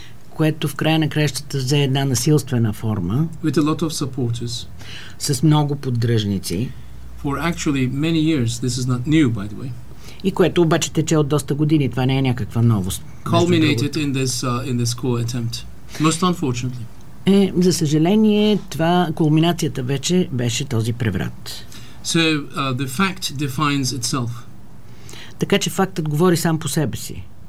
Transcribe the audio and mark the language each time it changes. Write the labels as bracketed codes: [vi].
[bg] Което в края на краищата взе една насилствена форма [en] with a lot of supporters, [bg] с много поддръжници [en] for actually many years, this is not new, by the way, [bg] и което обаче тече от доста години, това не е някаква новост. [en] Culminated in this, in this coup attempt, most unfortunately. [bg] Е, за съжаление, това кулминацията вече беше този преврат. [en] So, the fact defines itself. [bg] Така че фактът говори сам по себе си.